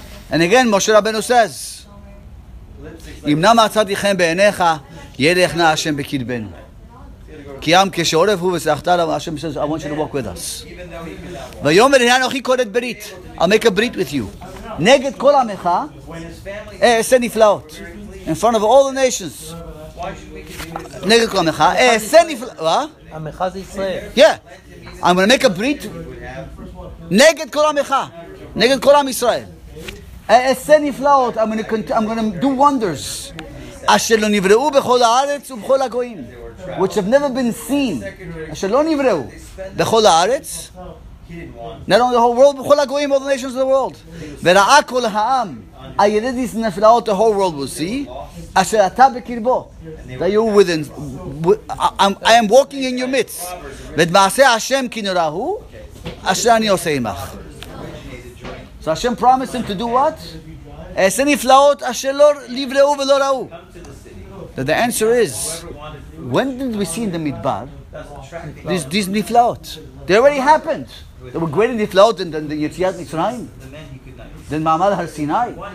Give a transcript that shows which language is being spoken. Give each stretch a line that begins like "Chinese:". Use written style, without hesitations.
English: And again,
Hebrew: משה רבנו says, אם נא מצאתי חן בעיניך, ילך נא השם בקרבנו. כי עם כשעורף הוא וסלחת עליו, השם says,
English: I want you to walk with us.
Hebrew: ויאמר, הנה אנוכי כורת ברית.
English: I'll make a brit with you.
Hebrew: נגד כל עמך, אעשה נפלאות.
English: In front of all the nations.
Hebrew: נגד כל עמך, אעשה נפלאות. עמך זה ישראל.
English: Yeah. I'm going to make a brit.
Hebrew: נגד כל עמך. נגד כל עם ישראל. אעשה נפלאות.
English: I'm going to do wonders.
Hebrew: אשר לא נבראו בכל הארץ ובכל הגויים,
English: which have never been seen,
Hebrew: אשר לא נבראו בכל הארץ,
English: not only the whole world,
Hebrew: בכל הגויים,
English: all the nations of the world.
Hebrew: וראה כל העם, הילד יש נפלאות,
English: the whole world will see,
Hebrew: אשר אתה בקרבו,
English: that you within, I am walking in your midst,
Hebrew: ואת מעשה השם כי נראה הוא, אשר אני עושה עמך.
English: So השם promised him to do what?
Hebrew: אעשה נפלאות אשר לא נבראו ולא ראו.
English: That the answer is, when did we see in the Midbar these niflaot? They already happened. There were greater niflaot than the Yetziat Mitzrayim, than Ma'amad Har Sinai.